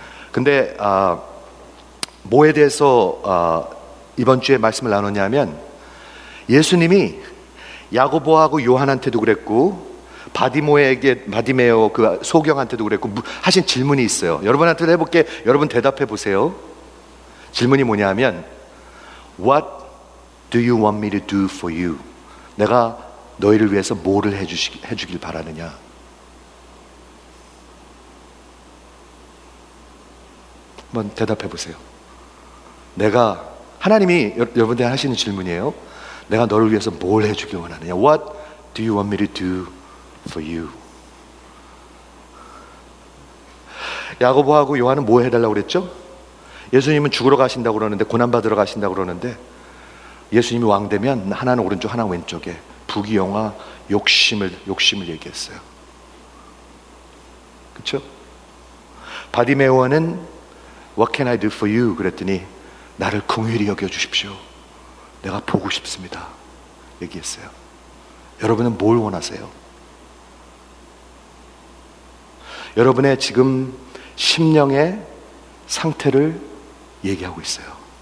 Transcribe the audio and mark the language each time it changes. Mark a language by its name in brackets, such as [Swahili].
[Korean] 근데 뭐에 대해서 이번 주에 말씀을 나누냐면, 예수님이 야고보하고 요한한테도 그랬고 바디모에게, 바디메오 그 소경한테도 그랬고 하신 질문이 있어요. 여러분한테도 해볼게. 여러분 대답해 보세요. 질문이 뭐냐면, [English] What do you want me to do for you? [Korean] 내가 너희를 위해서 뭐를 해주길 바라느냐? 한번 대답해 보세요. 내가, 하나님이 여러분들 하시는 질문이에요. 내가 너를 위해서 뭘 해주길 원하느냐? [English] What do you want me to do for you? [Korean] 야고보하고 요한은 뭐 해달라고 그랬죠? 예수님은 죽으러 가신다고 그러는데, 고난받으러 가신다고 그러는데, 예수님이 왕 되면 하나는 오른쪽 하나는 왼쪽에 부귀영화 욕심을 얘기했어요. 그렇죠? [English] 바디메오는 What can I do for you? [Korean] 그랬더니 나를 긍휼히 여겨주십시오, 내가 보고 싶습니다 얘기했어요. 여러분은 뭘 원하세요? 여러분의 지금 심령의 상태를 얘기하고 있어요.